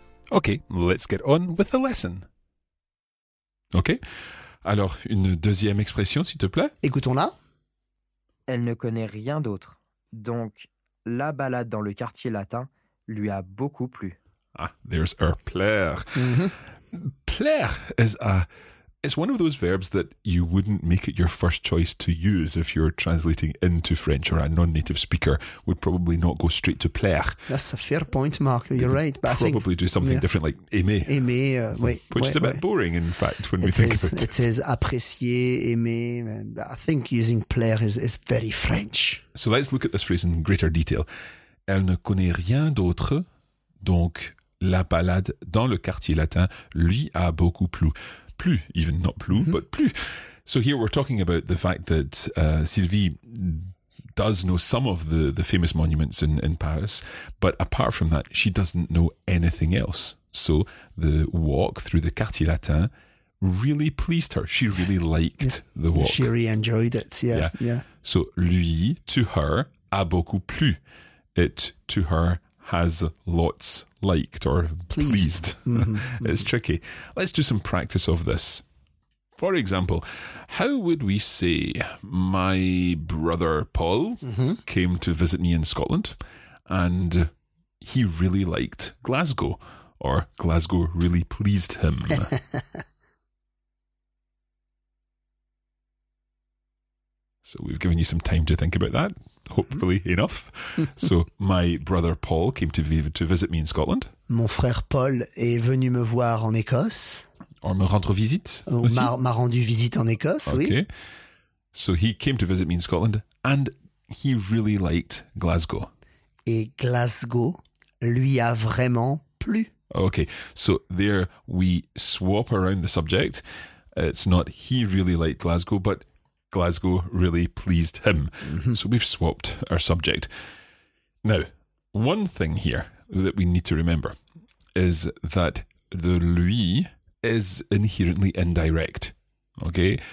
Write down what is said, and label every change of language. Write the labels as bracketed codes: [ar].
[en] Okay, let's get on with the lesson. [fr] Okay, alors une deuxième expression, s'il te plaît. Écoutons-la. Elle ne connaît rien d'autre. Donc, la balade dans le quartier latin lui a beaucoup plu. [en] Ah, there's her plaire. Mm-hmm. Plaire is a... It's one of those verbs that you wouldn't make it your first choice to use if you're translating into French, or a non-native speaker would probably not go straight to plaire. That's a fair point, Mark. You're right. But probably do something different like aimer. [fr] Aimer, [en] which is a bit boring, in fact, when it is apprécier, aimer. I think using plaire is very French. So let's look at this phrase in greater detail. [fr] Elle ne connaît rien d'autre, donc la balade dans le quartier latin lui a beaucoup plu. [en] Plus, even not plus, mm-hmm. but plus. So here we're talking about the fact that Sylvie does know some of the famous monuments in Paris, but apart from that, she doesn't know anything else. So the walk through the Quartier Latin really pleased her. She really liked the walk. She really enjoyed it, yeah. So lui, to her, [fr] a beaucoup plu. [en] It, to her, has lots liked or pleased. Mm-hmm. It's tricky. Let's do some practice of this. For example, how would we say my brother Paul came to visit me in Scotland and he really liked Glasgow, or Glasgow really pleased him? So we've given you some time to think about that, hopefully enough. So my brother Paul came to visit me in Scotland. [fr] Mon frère Paul est venu me voir en Écosse. Or me rendre visite. Ou m'a rendu visite en Écosse, [en] okay. [fr] Oui. [en] Okay. So he came to visit me in Scotland and he really liked Glasgow. [fr] Et Glasgow lui a vraiment plu. [en] Okay, so there we swap around the subject. It's not he really liked Glasgow, but... Glasgow really pleased him. Mm-hmm. So we've swapped our subject. Now, one thing here that we need to remember is that the lui is inherently indirect. Okay?